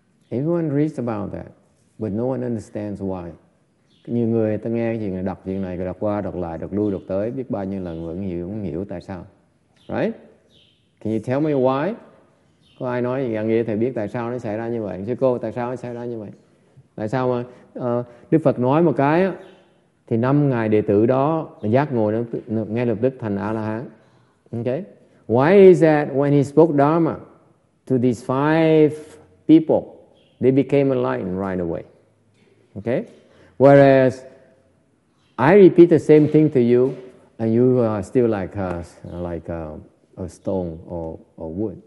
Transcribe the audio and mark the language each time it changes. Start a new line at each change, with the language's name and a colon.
English: Everyone reads about that, but no one understands why.
Vietnamese: Nhiều người ta nghe chuyện này, đọc chuyện này, đọc qua, đọc lại, đọc lui, đọc tới, biết bao nhiêu lần vẫn hiểu, không hiểu tại sao.
English: Right? Can you tell me why?
Vietnamese: Có ai nói gì nghe thầy biết tại sao nó xảy ra như vậy? Sư cô, tại sao nó xảy ra như vậy? Tại sao mà Đức Phật nói một cái, thì năm ngài đệ tử đó giác ngộ ngay lập tức thành A-la-hán. Okay?
English: Why is that when he spoke Dharma to these five people, they became enlightened right away. Okay? Whereas I repeat the same thing to you and you are still like a stone or wood.